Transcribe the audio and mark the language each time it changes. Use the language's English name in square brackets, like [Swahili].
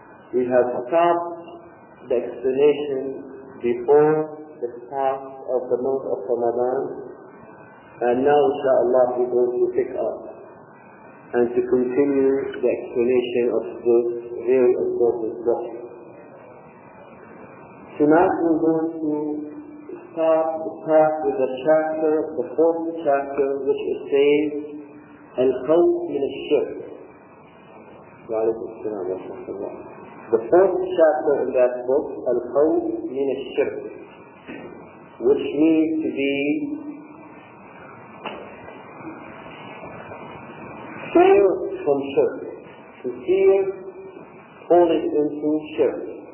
[English] We have stopped the explanation before the start of the month of Ramadan, and now inshaAllah we're going to pick up and to continue the explanation of this very important book. Tonight we're going to start the path with the chapter, the fourth chapter, which is saying [Arabic] الخوف من الشرك. وعليكم السلام ورحمة الله. [English] The fourth chapter in that book, [Arabic] الخوف من الشرك, [English] which means to be fear from shirk, to fear falling into shirk.